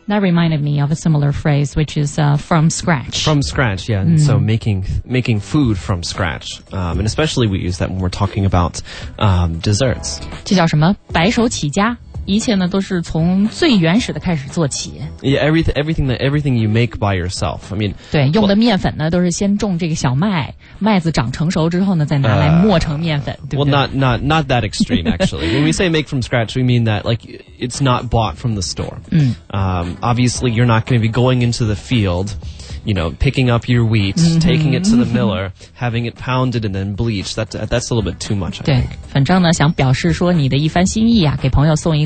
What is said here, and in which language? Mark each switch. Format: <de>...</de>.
<en>That reminded me of a similar phrase, which is from scratch. From scratch, yeah. Mm. So making food from scratch. And especially we use that when we're talking about desserts.</en> <zh>这叫什么？白手起家。一切呢都是从最原始的开始做起。</zh> <en>Yeah, everything you make by yourself. I mean,</en> <zh>对，用的面粉呢都是先种这个小麦，麦子长成熟之后呢，再拿来磨成面粉，对不对？</zh> <en>Well, not that extreme actually. When we say make from scratch, we mean that like it's not bought from the store.</en> <zh>嗯。</zh> <en>Obviously, you're not going to be going into the field, you know, picking up your wheat, taking it to the miller, having it pounded and then bleached. That's a little bit too much.</en> <zh>对，</zh> <en>I think.</en> <zh>反正呢，想表示说你的一番心意啊，给朋友送一。</zh>